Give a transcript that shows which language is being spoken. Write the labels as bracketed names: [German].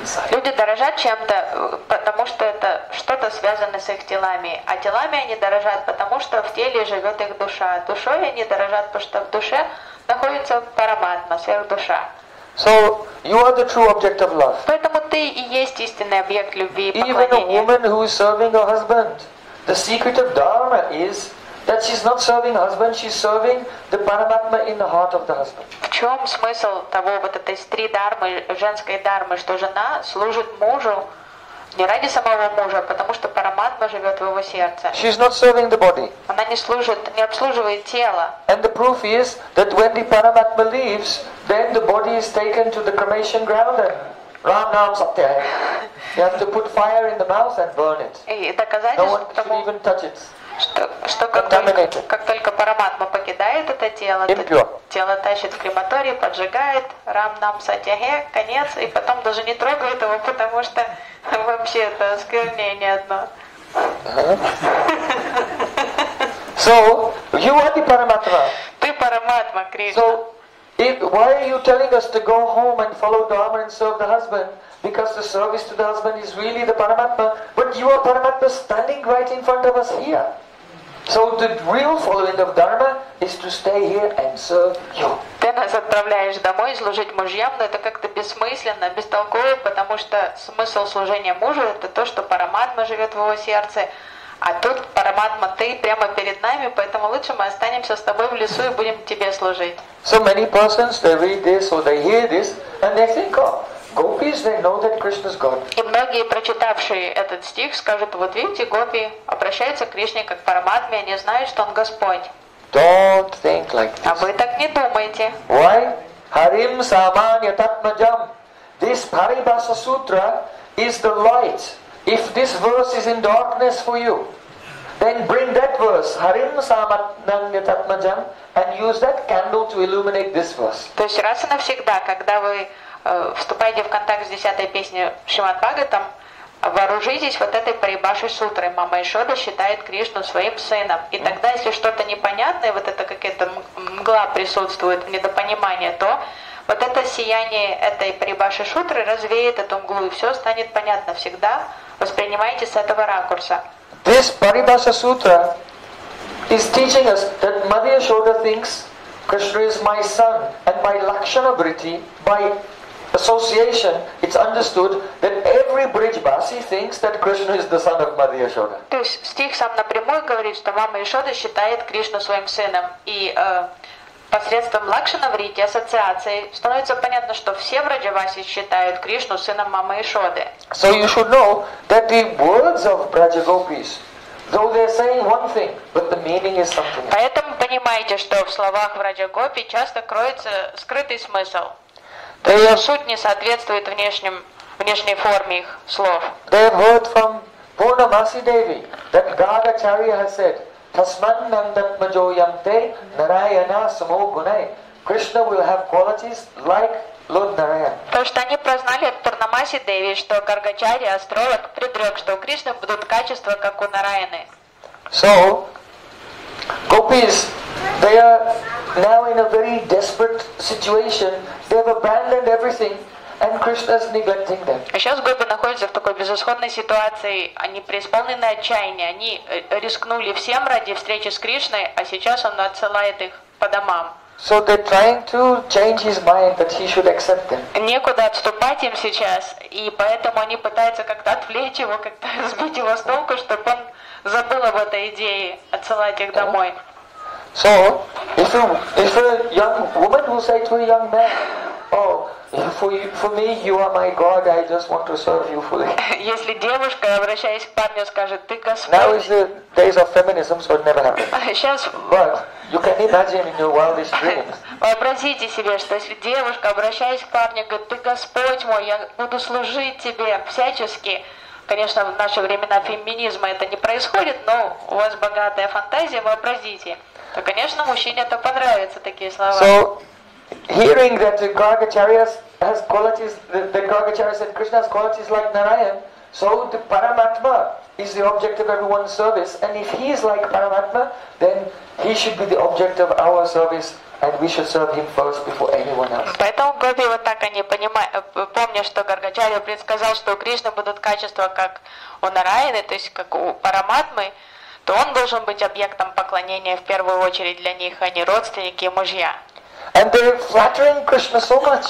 [Russian] Люди дорожат чем-то, потому что это что-то связано с их телами. А телами они дорожат, потому что в теле живет их душа. Душой они дорожат, потому что в душе находится параматма, сверхдуша. [English] So you are the true object of love. [Russian] Поэтому ты и есть истинный объект любви и поклонения. [English] Even a woman who is serving her husband, the secret of dharma is that she's not serving husband, she's serving the Paramatma in the heart of the husband. [Russian] В чем смысл того вот этой стри дармы, женской дармы, что жена служит мужу не ради самого мужа, потому что Параматма живет в его сердце. [English] She's not serving the body. [Russian] Она не служит, не обслуживает тело. [English] And the proof is that when the Paramatma leaves, then the body is taken to the cremation ground. [Hindi] Ram Nam Satyaya. [English] You have to put fire in the mouth and burn it. No one should even touch it. [Russian] Что как только Параматма покидает это тело, тело тащит в крематорий, поджигает, [Hindi] рам нам сатяхе, [Russian] конец, и потом даже не трогает его, потому что вообще это осквернение одно. [English] So, you are the Paramatma. [Russian] Ты Параматма, Кришна. [English] So, why are you telling us to go home and follow Dharma and serve the husband? Because the service to the husband is really the Paramatma, but you are Paramatma standing right in front of us here. So the real following of dharma is to stay here and serve you. [Russian] Ты нас отправляешь домой служить мужьям, но это как-то бессмысленно, бестолково, потому что смысл служения мужу это то, что Параматма живет в его сердце, а тут Параматма ты прямо перед нами, поэтому лучше мы останемся с тобой в лесу и будем тебе служить. [English] So many persons they read this or they hear this and they think, oh, gopis they know that Krishna's God. [Russian] И многие, прочитавшие этот стих, скажут, вот видите, гопи обращаются к Кришне как к Параматме, они знают, что он Господь. [English] Don't think like this. [Russian] А вы так не думайте. [English] Why? [Sanskrit] Harim samanya tatmajam. [English] This Paribhasa Sutra is the light. If this verse is in darkness for you, then bring that verse, [Sanskrit] Harim samanya tatmajam, [English] and use that candle to illuminate this verse. [Russian] То есть раз и навсегда, когда вы вступайте в контакт с 10-й песней Шримад Бхагаватам, вооружитесь вот этой Парибашей сутрой. Мама Ишода считает Кришну своим сыном. И тогда, если что-то непонятное, вот это какая-то мгла присутствует, недопонимание, то вот это сияние этой Парибашей сутры развеет эту мглу, и все станет понятно всегда. Воспринимайте с этого ракурса. [English] This Paribhasa Sutra is teaching us that Mother Ishoda thinks Krishna is my son and my Lakshana Vritti by association, it's understood that every Brijbasi thinks that Krishna is the son of Mother Yashoda. [Russian] То есть стих сам напрямую говорит, что мама Ишода считает Кришну своим сыном. И посредством Лакшана Врити, ассоциации, становится понятно, что все Брижбаси считают Кришну сыном мамы Ишоды. [English] So you should know that the words of Braja Gopis, though they're saying one thing, but the meaning is something else. [Russian] Поэтому понимаете, что в словах Браджа Гопи часто кроется скрытый смысл. [English] Their [Russian] суть не соответствует внешней форме их слов. [English] They have heard from Purnamasi Devi that Gadacharya has said, [Sanskrit] Tasman Nandatmajo Yamte Narayana Samo Gunai. [English] Krishna will have qualities like Lord Narayana. [Russian] То, что они прознали от Пурнамаси Деви, что Гаргачарья, астролог, предрек, что у Кришны будут качества, как у Нараяны. [English] So, gopis They are now in a very desperate situation. They have abandoned everything. And Krishna is neglecting them. [Russian] А сейчас гопи находятся в такой безысходной ситуации. Они преисполнены отчаяния. Они рискнули всем ради встречи с Кришной, а сейчас он отсылает их по домам. [English] So they're trying to change his mind that he should accept them. [Russian] Некуда отступать им сейчас, и поэтому они пытаются как-то отвлечь его, как-то сбить его с толку, чтобы он забыл об этой идее отсылать их домой. [English] So if a young woman will say to a young man, oh. For me, you are my God. I just want to serve you fully. [Russian] Если девушка, обращаясь к парню, скажет, ты Господь. [English] Now is the days of feminism, so it never happened. [Russian] Сейчас. [English] But you can imagine in your wildest dreams. [Russian] Вообразите себе, что если девушка, обращаясь к парню, говорит, ты Господь мой, я буду служить тебе всячески. Конечно, в наши времена феминизма это не происходит, но у вас богатая фантазия, вообразите. То, конечно, мужчине это понравится такие слова. [English] So. Hearing that Gargacharya has qualities, that Gargacharya said Krishna has qualities like Narayan, so the Paramatma is the object of everyone's service, and if he is like Paramatma, then he should be the object of our service, and we should serve him first before anyone else. [Russian] Поэтому гопи вот так они понимают, помня, что Гаргачарья предсказал, что у Кришны будут качества как у Нараяны, то есть как у Параматмы, то он должен быть объектом поклонения в первую очередь для них, а не родственники и мужья. [English] And they're flattering Krishna so much.